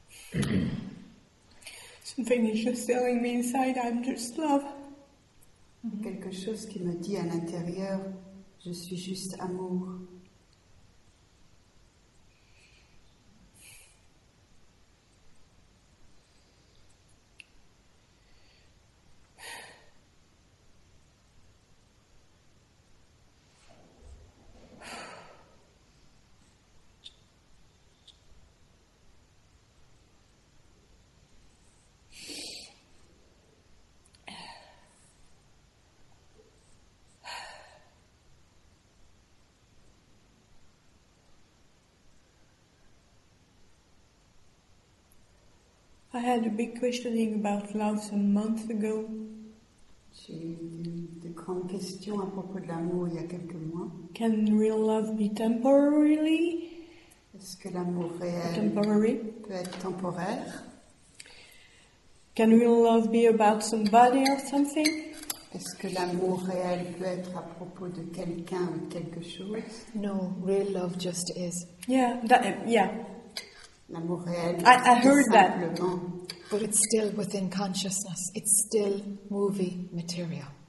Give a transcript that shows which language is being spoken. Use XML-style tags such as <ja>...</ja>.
<en>Something is just telling me inside I'm just love.</en> <fr>Quelque chose qui me dit à l'intérieur, je suis juste amour.</fr> <en>I had a big questioning about love some months ago.</en> <fr>J'ai de grandes questions à propos de l'amour il y a quelques mois.</fr> <en>Can real love be temporarily?</en> <fr>Est-ce que l'amour réel</fr> <en>temporary?</en> <fr>Peut être temporaire?</fr> <en>Can real love be about somebody or something?</en> <fr>Est-ce que l'amour réel peut être à propos de quelqu'un ou quelque chose?</fr> <en>No, real love just is. Yeah.</en> <fr>L'amour réel,</fr> <en>I heard that, but it's still within consciousness. It's still movie material.</en>